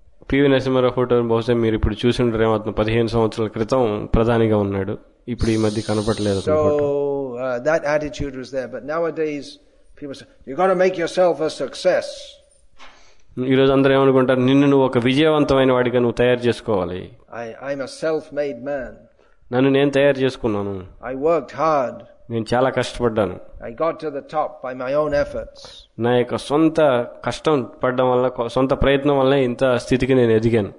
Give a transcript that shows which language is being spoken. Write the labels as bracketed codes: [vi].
[te] PV Narasimha Rao photo బహుశా మీరు ఇప్పుడు చూసి ఉంటారేమో, అతను 15 సంవత్సరాల క్రితం ప్రధానిగా ఉన్నాడు, ఇప్పుడు ఈ మధ్య కనపడలేదు. [en] That attitude was there, but nowadays people say you got to make yourself a success. [te] ఈరోజు అందరూ ఏమనుకుంటారు, నిన్ను నువ్వు ఒక విజయవంతమైన వాడిగా నువ్వు తయారు చేసుకోవాలి. [en] I'm a self-made man. [te] నన్ను నేను తయారు చేసుకున్నాను. [en] I worked hard [te] నేను చాలా కష్టపడ్డాను. [en] I got to the top by my own efforts. [te] నా యొక్క సొంత కష్టం పడడం వల్ల, సొంత ప్రయత్నం వల్ల ఇంత స్థితికి నేను ఎదిగాను.